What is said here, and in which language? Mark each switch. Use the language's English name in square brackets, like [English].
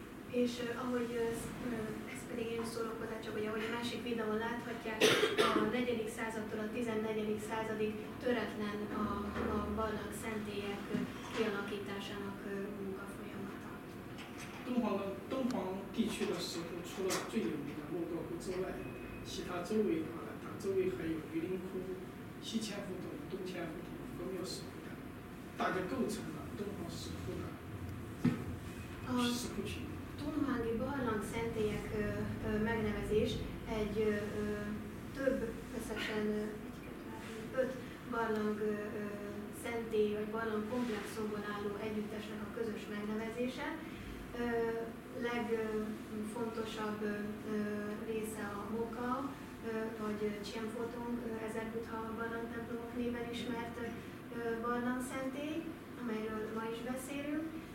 [Hungarian] És ahogy ez pedig én szólok hozzá, csak hogy ahogy a másik videón láthatják, a 4. századtól a 14. századig töretlen a barlang szentélyek kialakításának munka folyamata. [Chinese] Dunhuang地区的石窟除了最有名的莫高窟之外，其他周围的话呢，大周围还有榆林窟、西千佛洞、东千佛洞、佛庙石窟等，大概构成了敦煌石窟的石窟群。 [Hungarian] Tunhuangi barlang szentélyek megnevezés egy több összesen 5 barlang szentély vagy barlang komplexumból álló együttesnek a közös megnevezése. Legfontosabb része a Moka vagy Csienfotong Ezerbutha barlang templomok néven ismert barlang szentély, amelyről ma is beszélünk.